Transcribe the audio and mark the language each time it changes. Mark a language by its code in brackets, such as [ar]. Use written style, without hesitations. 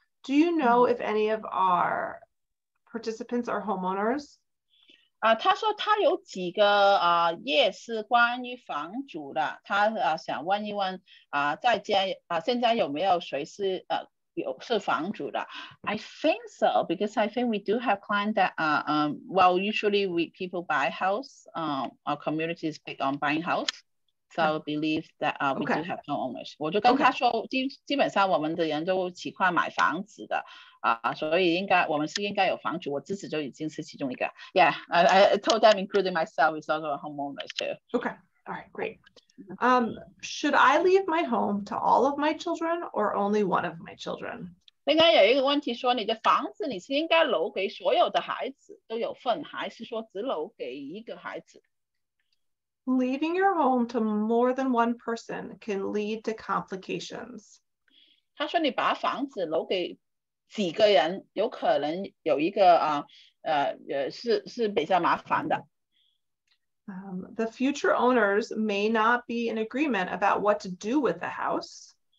[en] Do you know if any of our participants are homeowners? [zh] 他说他有几个页是关于房主的，他想问一问，在家现在有没有谁是房主的？ [en] I think so, because I think we do have clients that well, usually we people buy house, our community is big on buying house. So I believe that we do have homeowners. [zh] 我就跟他说, 基本上我们的人都喜欢买房子的。所以应该我们是应该有房主，我自己就已经是其中一个。 [en] Yeah, I told them including myself is also a homeowner too. Okay, all right, great. Should I leave my home to all of my children or only one of my children? [zh] 应该有一个问题说，你的房子你是应该留给所有的孩子都有份，还是说只留给一个孩子？ [en] Leaving your home to more than one person can lead to complications. [zh] 他说你把房子留给 几个人有可能有一个是比较麻烦的。 [en] The future owners may not be in agreement about what to do with the house.